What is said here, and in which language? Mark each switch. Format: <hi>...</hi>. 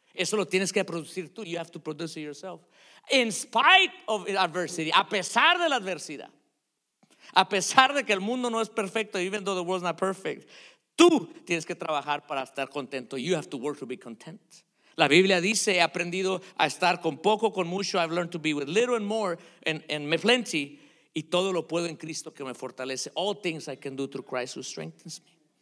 <es>Eso lo tienes que producir tú,</es> <en>you have to produce it yourself. In spite of adversity,</en> <es>a pesar de la adversidad, a pesar de que el mundo no es perfecto,</es> <en>even though the world's not perfect,</en> <es>tú tienes que trabajar para estar contento.</es> <en>You have to work to be content.</en> <es>La Biblia dice, he aprendido a estar con poco, con mucho.</es> <en>I've learned to be with little and more and plenty.</en> <es>Y todo lo puedo en Cristo que me fortalece.</es> <en>All things I can do through Christ who strengthens me.</en>